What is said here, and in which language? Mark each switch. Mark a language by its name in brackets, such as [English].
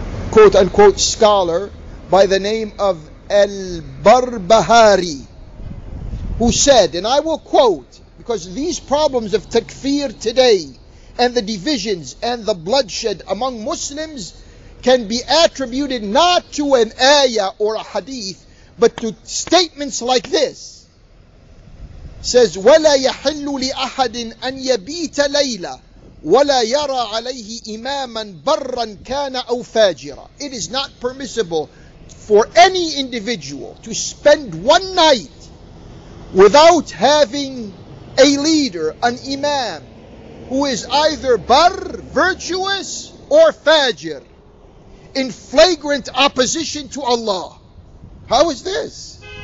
[English] quote unquote scholar by the name of Al-Barbahari who said, and I will quote, because these problems of takfir today and the divisions and the bloodshed among Muslims can be attributed not to an ayah or a hadith, but to statements like this. It says, [Arabic] وَلَا يَحِلُّ لِأَحَدٍ أَنْ يَبِيتَ لَيْلًا وَلَا يَرَى عَلَيْهِ إِمَامًا بَرًّا كَانَ أَوْ فَاجِرًا. [English] It is not permissible for any individual to spend one night without having a leader, an imam, who is either bar, virtuous, or fajr, in flagrant opposition to Allah. How is this?